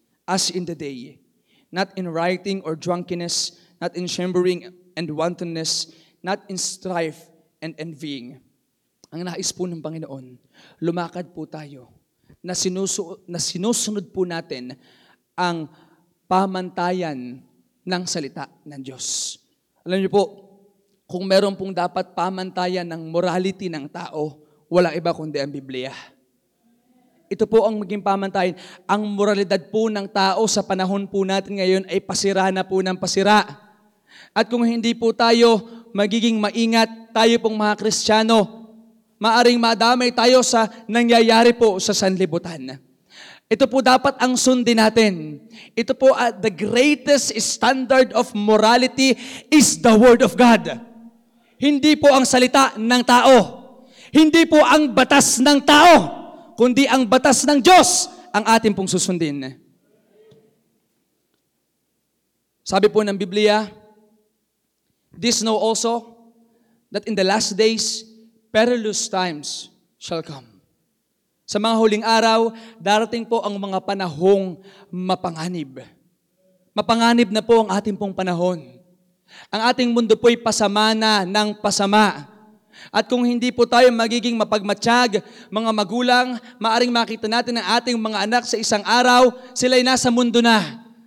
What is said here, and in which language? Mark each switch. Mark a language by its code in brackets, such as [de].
[en] As in the day, not in rioting or drunkenness, not in chambering and wantonness, not in strife and envying. [tl] Ang nais po ng Panginoon, lumakad po tayo na sinusunod po natin ang pamantayan ng salita ng Diyos. Alam niyo po, kung meron pong dapat pamantayan ng morality ng tao, walang iba kundi ang Biblia. Ito po ang maging pamantayan. Ang moralidad po ng tao sa panahon po natin ngayon ay pasira na po ng pasira. At kung hindi po tayo magiging maingat, tayo pong mga Kristiyano, maaring madamay tayo sa nangyayari po sa sanlibutan. Ito po dapat ang sundin natin. Ito po [en] the greatest standard of morality is the Word of God. [tl] Hindi po ang salita ng tao. Hindi po ang batas ng tao. Kundi ang batas ng Diyos ang atin pong susundin. Sabi po ng Biblia, [en] this know also that in the last days, perilous times shall come. [tl] Sa mga huling araw, darating po ang mga panahong mapanganib. Mapanganib na po ang ating pong panahon. Ang ating mundo po'y pasama na ng pasama. At kung hindi po tayo magiging mapagmatsyag, mga magulang, maaring makita natin ang ating mga anak sa isang araw, sila'y nasa mundo na.